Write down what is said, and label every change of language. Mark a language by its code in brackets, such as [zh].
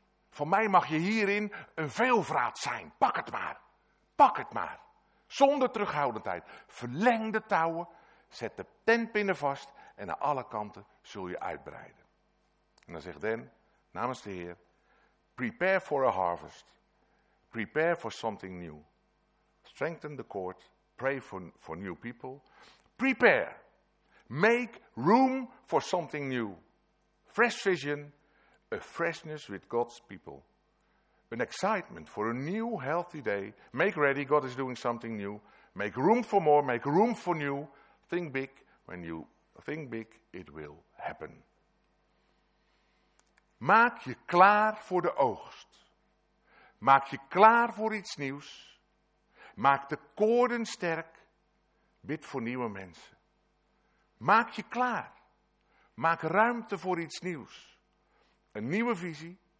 [nl] Van mij mag je hierin een veelvraat zijn. Pak het maar. Pak het maar. Zonder terughoudendheid. Verleng de touwen. Zet de tentpinnen vast. En aan alle kanten zul je uitbreiden. En dan zegt Dan, namens de Heer, [en] prepare for a harvest. Prepare for something new. Strengthen the cord. Pray for new people. Prepare. Make room for something new. Fresh vision. A freshness with God's people. An excitement for a new healthy day. Make ready. God is doing something new. Make room for more. Make room for new. Think big. When you think big, it will happen. [nl] Maak je klaar voor de oogst. Maak je klaar voor iets nieuws. Maak de koorden sterk. Bid voor nieuwe mensen. Maak je klaar. Maak ruimte voor iets nieuws. Een nieuwe visie.